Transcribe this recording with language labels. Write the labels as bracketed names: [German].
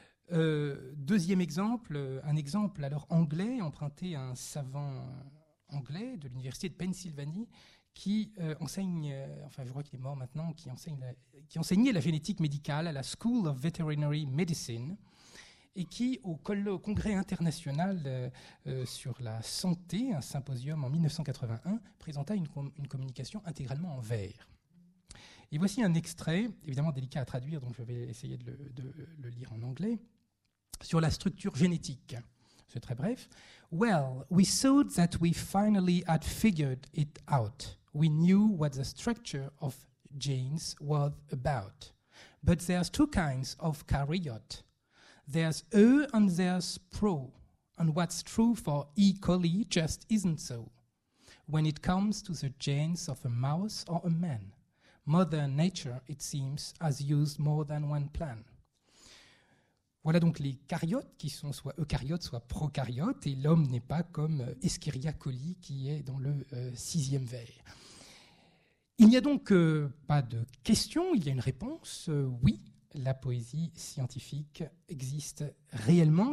[French] Deuxième exemple, un exemple alors anglais, emprunté à un savant anglais de l'université de Pennsylvanie qui enseigne, enfin je crois qu'il est mort maintenant, qui enseignait la génétique médicale à la School of Veterinary Medicine et qui, au Congrès international sur la santé, un symposium en 1981, présenta une communication intégralement en vers. Et voici un extrait, évidemment délicat à traduire, donc je vais essayer de le lire en anglais, sur la structure génétique. C'est très bref. [English] Well, we thought that we finally had figured it out. We knew what the structure of genes was about. But there's two kinds of carryots. There's E and there's pro. And what's true for E. coli just isn't so. When it comes to the genes of a mouse or a man, Mother Nature, it seems, has used more than one plan. [French] Voilà donc les caryotes qui sont soit eucaryotes, soit prokaryotes, et l'homme n'est pas comme Escherichia coli qui est dans le sixième vers. Il n'y a donc pas de question, il y a une réponse. Oui, la poésie scientifique existe réellement.